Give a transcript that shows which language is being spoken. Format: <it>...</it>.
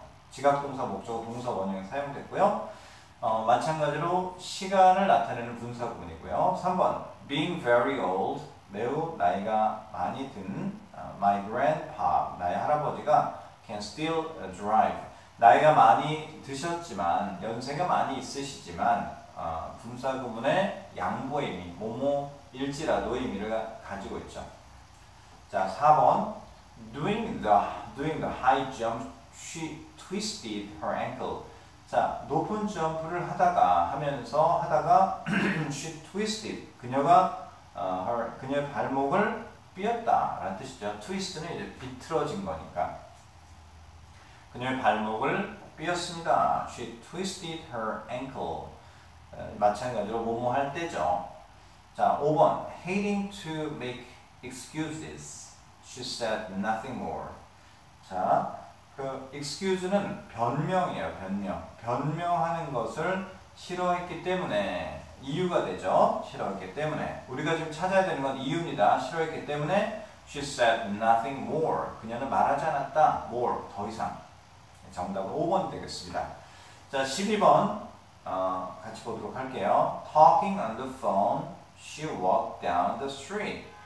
<ko>지각동사 목적어 동사 원형에 사용됐고요. 마찬가지로 시간을 나타내는 분사구문이고요.</ko> <en>3번. Being very old.</en> <ko>매우 나이가 많이 든</ko> <en>my grandpa.</en> <ko>나의 할아버지가</ko> <en>can still drive.</en> <ko>나이가 많이 드셨지만 연세가 많이 있으시지만 분사구문의 양보의 의미. 뭐뭐 일지라도 의미를 가지고 있죠. 자, 4번.</ko> <en>Doing the high jump, she twisted her ankle.</en> <ko>자, 높은 점프를 하면서</ko> <en>she twisted.</en> <ko>그녀가 그녀의 발목을 삐었다라는 뜻이죠. twist는 이제 비틀어진 거니까. 그녀의 발목을 삐었습니다.</ko> <en>She twisted her ankle.</en> <ko>마찬가지로 뭐뭐 할 때죠. 자,</ko> <en>5번. Hating to make excuses. She said nothing more.</en> <ko>자, 그 excuse는 변명이에요. 변명. 변명하는 것을 싫어했기 때문에 이유가 되죠. 싫어했기 때문에. 우리가 지금 찾아야 되는 건 이유입니다. 싫어했기 때문에</ko> <en>She said nothing more.</en> <ko>그녀는 말하지 않았다. More. 더 이상. 정답은 5번 되겠습니다. 자, 12번. 같이 보도록 할게요.</ko> <en>Talking on the phone. She walked down the street.</en>